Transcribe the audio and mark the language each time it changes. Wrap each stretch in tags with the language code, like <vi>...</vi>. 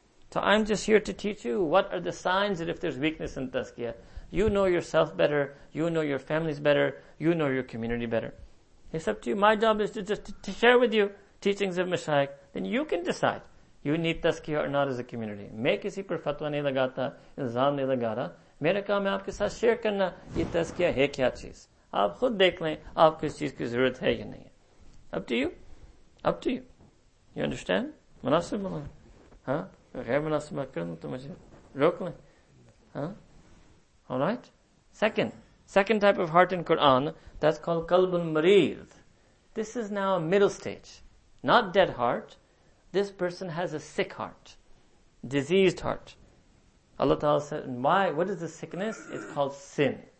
<en>So I'm just here to teach you what are the signs that if there's weakness in tazkiyah, you know yourself better, you know your families better, you know your community better. It's up to you. My job is to share with you teachings of Mashaikh. Then you can decide. You need tazkiyah or not as a community.</en> <ur>میں کسی پر فتویٰ نہیں لگاتا، الزام نہیں لگاتا۔ میرا کام ہے آپ کے ساتھ share کرنا، یہ تزکیہ ہے کیا چیز۔ آپ خود دیکھ لیں، آپ کو اِس چیز کی ضرورت ہے یا نہیں۔</ur> <en>Up to you. Up to you. You understand?</en> <ur>مناسب میں۔</ur> <en>Huh?</en> <ur>غیر مناسب میں کرنا تو مجھے روک لیں۔</ur> <en>Huh? Alright? Second type of heart in Quran, that's called Qalbul Mareed. This is now a middle stage. Not dead heart. This person has a sick heart. Diseased heart. Allah Ta'ala said, why? What is the sickness? It's called sin.</en>